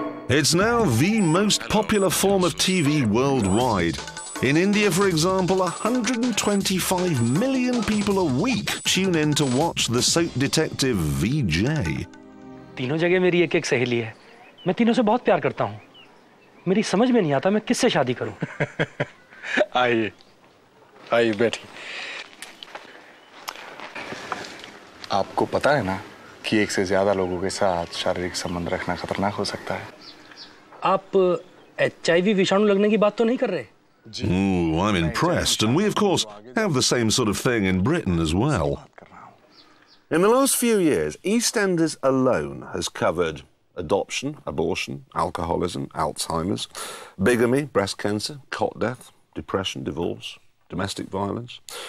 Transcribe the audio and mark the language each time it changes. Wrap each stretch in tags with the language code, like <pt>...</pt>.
<en>It's now the most popular form of TV worldwide. In India, for example, 125 million people a week tune in to watch the soap detective VJ.</en> <hi>तीनो जगह मेरी एक एक सहेली है. मैं तीनो से बहुत प्यार करता हु. मेरी समझ में नही आता मैं किससे शादी करु. Aaiye. Aaiye baithiye. Aapko pata hai na ki ek se zyada logo ke saath sharirik sambandh rakhna khatarnak ho sakta hai. आप एचआईवी विषाणु लगने की बात तो नहीं कर रहे?</hi> <en>Ooh, I'm impressed, and we of course have the same sort of thing in Britain as well. In the last few years, EastEnders alone has covered adoption, abortion, alcoholism, Alzheimer's, bigamy, breast cancer, cot death, depression, divorce, domestic violence,</en>